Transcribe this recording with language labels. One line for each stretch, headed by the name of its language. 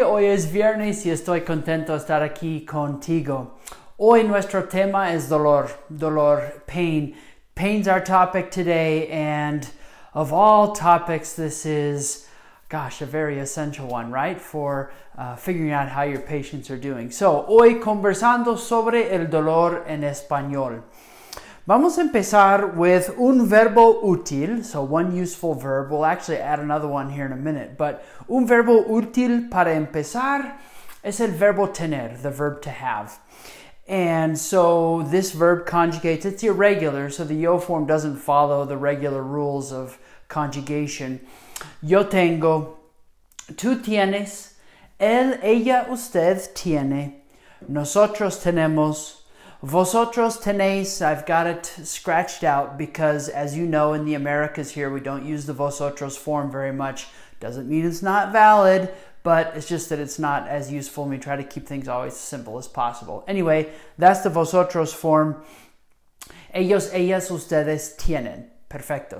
Spanish: Hoy es viernes y estoy contento de estar aquí contigo. Hoy nuestro tema es dolor, pain.
English: Pain's our topic today, and of all topics, this is, gosh, a very essential one, right? For figuring out how your patients are doing.
Spanish: So, hoy conversando sobre el dolor en español. Vamos a empezar with un verbo útil,
English: so one useful verb. We'll actually add another one here in a minute, but
Spanish: un verbo útil para empezar es el verbo tener,
English: the verb to have. And so this verb conjugates, it's irregular, so the yo form doesn't follow the regular rules of conjugation.
Spanish: Yo tengo, tú tienes, él, ella, usted tiene, nosotros tenemos. Vosotros tenéis,
English: I've got it scratched out because, as you know, in the Americas here, we don't use the vosotros form very much. Doesn't mean it's not valid, but it's just that it's not as useful, and we try to keep things always as simple as possible. Anyway, that's the vosotros form.
Spanish: Ellos, ellas, ustedes tienen. Perfecto.